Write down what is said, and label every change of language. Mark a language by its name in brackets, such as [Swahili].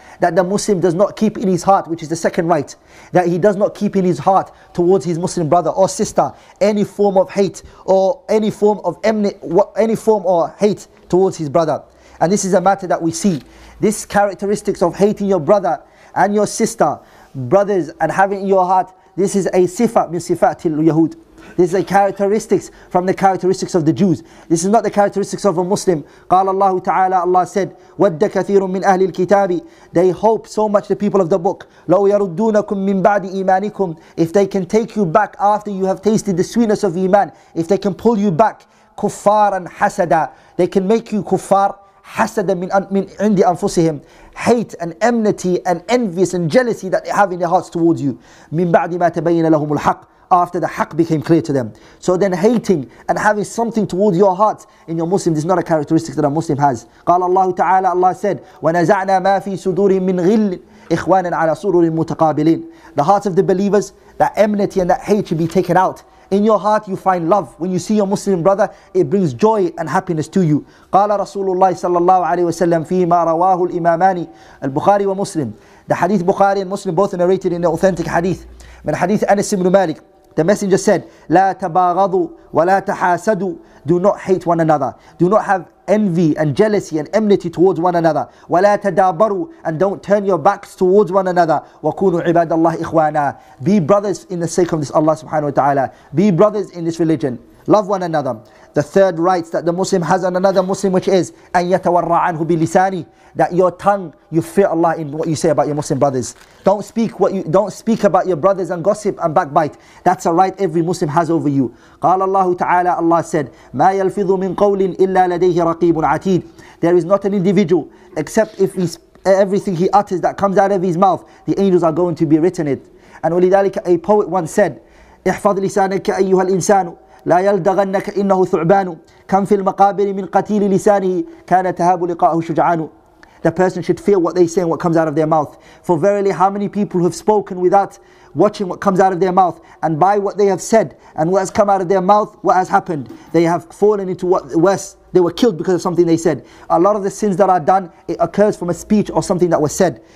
[English] That the Muslim does not keep in his heart, which is the second right, that he does not keep in his heart towards his Muslim brother or sister any form of hate or any form of hate towards his brother. And this is a matter that we see. This characteristics of hating your brother and your sister, brothers, and having in your heart, this is a [Arabic] sifat min sifatil yahud. [English] This is a characteristics from the characteristics of the Jews. This is not the characteristics of a Muslim. [Arabic] قال الله تعالى, [English] Allah said, [Arabic] ود كثير من أهل الكتاب. [English] They hope so much, the people of the book. [Arabic] لو يردونكم من بعد إيمانكم. [English] If they can take you back after you have tasted the sweetness of iman, if they can pull you back, كفار and حسدا, they can make you كفار. [Arabic] حسدا من عند أنفسهم. [English] Hate and enmity and envious and jealousy that they have in their hearts towards you. [Arabic] من بعد ما تبين لهم الحق. [English] After the haqq became clear to them. So then hating and having something towards your heart in your Muslim, this is not a characteristic that a Muslim has. [Arabic] قال الله تعالى, [English] Allah said, [Arabic] وَنَزَعْنَا مَا فِي صُدُورِهِمْ مِنْ غِلٍّ إِخْوَانًا عَلَى صُدُورٍ مُتَقَابِلِينَ. [English] The hearts of the believers, that enmity and that hate should be taken out. In your heart you find love. When you see your Muslim brother, it brings joy and happiness to you. [Arabic] قال رسول الله صلى الله عليه وسلم فيما رواه الإمامان البخاري ومسلم. [English] The hadith Bukhari and Muslim both narrated in the authentic hadith. [Arabic] من حديث أنس بن مالك, [English] the Messenger said, [Arabic] لا تباغضوا ولا تحاسدوا. [English] Do not hate one another. Do not have envy and jealousy and enmity towards one another. [Arabic] ولا تدابروا. [English] And don't turn your backs towards one another. [Arabic] وكونوا عباد الله إخوانا. [English] Be brothers in the sake of this Allah subhanahu wa ta'ala. Be brothers in this religion. Love one another. The third rights that the Muslim has on another Muslim, which is [Arabic] أَنْ يَتَوَرَّ عَنْهُ بِلِسَانِ, [English] that your tongue, you fear Allah in what you say about your Muslim brothers. Don't speak about your brothers and gossip and backbite. That's a right every Muslim has over you. [Arabic] قَالَ اللَّهُ تَعَالَى, [English] Allah said, [Arabic] مَا يَلْفِظُ مِنْ قَوْلٍ إِلَّا لَدَيْهِ رَقِيبٌ عَتِيدٌ. [English] There is not an individual, except if everything he utters that comes out of his mouth, the angels are going to be written it. [Arabic] And ولذلك, a poet once said, احفظ لسانك أيها الإنسان لا يلدغنك إنه ثعبان كم في المقابر من قتيل لسانه كان تهاب لقاءه شجعان. [English] The person should fear what they say and what comes out of their mouth. For verily, how many people have spoken without watching what comes out of their mouth, and by what they have said and what has come out of their mouth, what has happened? They have fallen into what worse? They were killed because of something they said. A lot of the sins that are done, it occurs from a speech or something that was said.